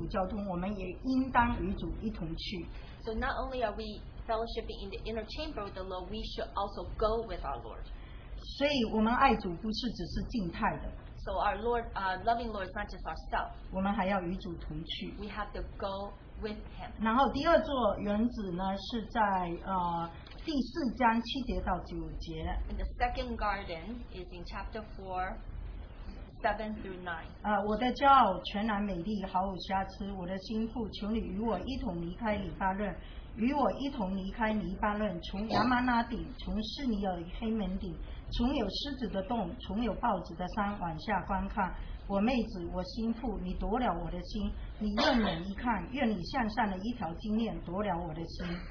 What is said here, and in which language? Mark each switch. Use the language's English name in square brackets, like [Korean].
[Chinese] 所以应该是在撒玛利亚山谷里面这一座花园。所以这个就是我们不单在内室里面跟主交通，我们也应当与主一同去。 [English] So not only are we fellowshipping in the inner chamber of the Lord, we should also go with our Lord. [Chinese] 所以我们爱主不是只是静态的。 [English] So our Lord, loving Lord is not just ourselves. [Chinese] 我们还要与主同去。 [English] We have to go with him. [Chinese] 然后第二座园子呢, 是在, 第四章7节到9节。 [English] And the second garden is in chapter 4, 7 through 9. [Chinese] 我的骄傲全然美丽毫无瑕疵, 我的心腹求你与我一同离开黎巴嫩, 与我一同离开黎巴嫩, 从亚玛拿顶, 从示尼尔黑门顶, 从有狮子的洞, 从有豹子的山, 往下观看。我妹子, 我心腹, 你夺了我的心, 你用眼一看, 愿你向上的一条经验, 夺了我的心。